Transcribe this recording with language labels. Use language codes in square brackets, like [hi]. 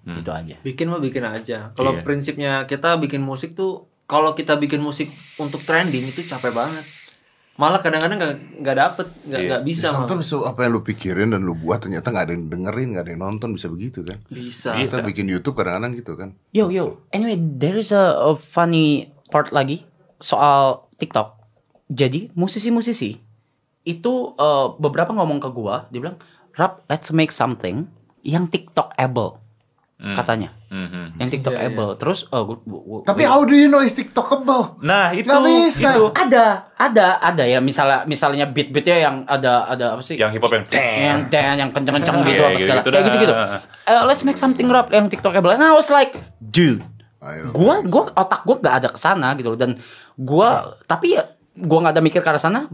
[id] Itu aja. Bikin mah bikin aja. Kalau prinsipnya kita bikin musik tuh, kalau kita bikin musik untuk trending itu capek banget. Malah kadang-kadang gak dapet, gak bisa. Sometimes apa yang lu pikirin dan lu buat ternyata gak ada yang dengerin, gak ada yang nonton, bisa begitu kan? Bisa. Kita bikin YouTube kadang-kadang gitu kan? [en] Yo, anyway, there is a funny part [id] lagi soal [en] TikTok. [id] Jadi, musisi-musisi itu beberapa ngomong ke gua, dia bilang, "Rap, [en] let's make something [id] yang TikTok-able," katanya. Mm-hmm. Yang TikTok-able. Yeah. Terus, tapi [en] how do you know is TikTok-able? [id] Nah, itu. Gak bisa. Itu. Ada ya. Misalnya beat-beatnya yang ada apa sih? Yang hip-hop yang dan yang kenceng-kenceng gitu apa segala. Kayak gitu-gitu. [en] Let's make something rap [id] yang TikTok-able. [en] And I was like, dude. [id] Gue otak gue gak ada kesana gitu loh. Dan gue, tapi ya gue gak ada mikir ke arah sana.